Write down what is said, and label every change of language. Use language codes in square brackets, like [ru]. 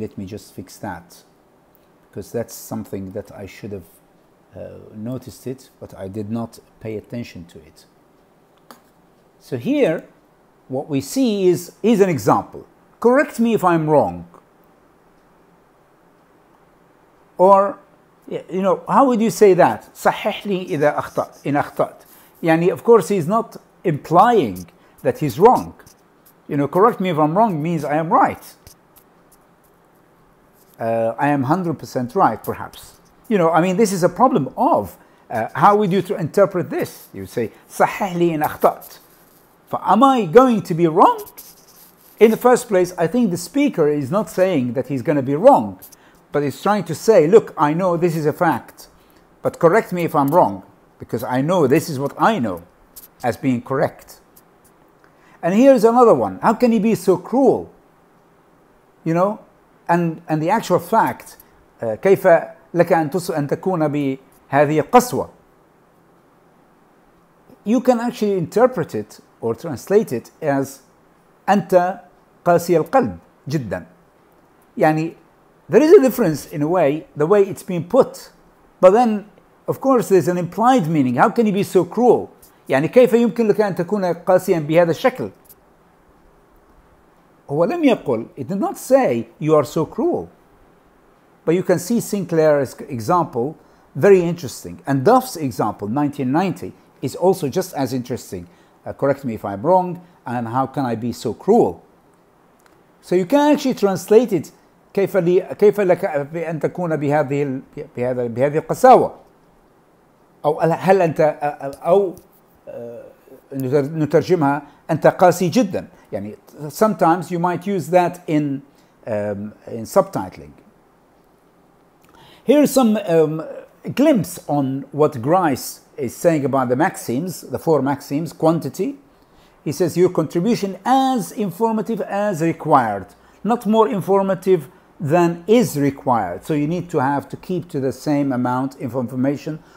[en] Let me just fix that. Because that's something that I should have noticed it, but I did not pay attention to it. So here, what we see is an example. Correct me if I'm wrong. Or, you know, how would you say that? [ar] صحح لي إذا أخطأت, إن أخطأت. [en] يعني, of course, he's not implying that he's wrong. You know, correct me if I'm wrong means I am right. I am 100% right, perhaps. You know, I mean, this is a problem of how would you interpret this? You say, [ar] صحح لي إن أخطأت. [en] For am I going to be wrong? In the first place, I think the speaker is not saying that he's going to be wrong, but he's trying to say, look, I know this is a fact, but correct me if I'm wrong, because I know this is what I know as being correct. And here's another one. How can he be so cruel? You know, and the actual fact, [ar] كيف لك أن تكون بهذه القسوة? [en] You can actually interpret it or translate it as [ar] أنت قاسي القلب جدا. [en] يعني, there is a difference in a way, the way it's being put. But then, of course, there's an implied meaning. How can you be so cruel? [ar] يعني كيف يمكن لك أن تكون قاسيا بهذا الشكل? هو لم يقول, [en] it did not say you are so cruel. But you can see Sinclair's example, very interesting. And Duff's example, 1990, is also just as interesting. Correct me if I'm wrong, and how can I be so cruel? So you can actually translate it, [ar] كيف لك أن تكون بهذه القساوة؟ أو هل أنت أو نترجمها أنت قاسي جدا؟ يعني [en] sometimes you might use that in subtitling. Here's some glimpse on what Grice is saying about the maxims, the four maxims, quantity. He says your contribution as informative as required, not more informative than is required. So you need to have to keep to the same amount of information.